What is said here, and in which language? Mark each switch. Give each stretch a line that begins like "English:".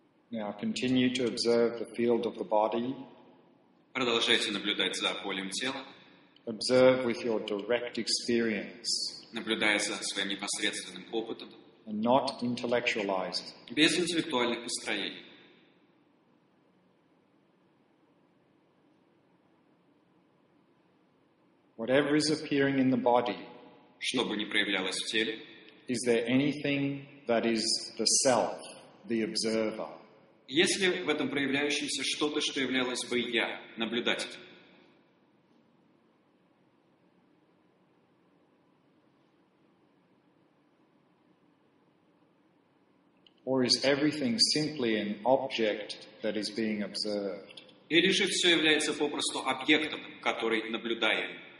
English: Now continue to observe the field of the body.
Russian: Продолжайте наблюдать за полем тела.
English: Observe with your direct experience.
Russian: Наблюдая за своим непосредственным опытом.
English: And not intellectualized.
Russian: Без интеллектуальных построений.
English: Whatever is appearing in the body,
Russian: что бы ни проявлялось в теле,
English: is there anything that is the self, the observer?
Russian: Есть ли в этом проявляющемся что-то, что являлось бы я, наблюдателем?
English: Or is everything simply an object that is being observed?
Russian: Или же все является попросту объектом, который наблюдаем?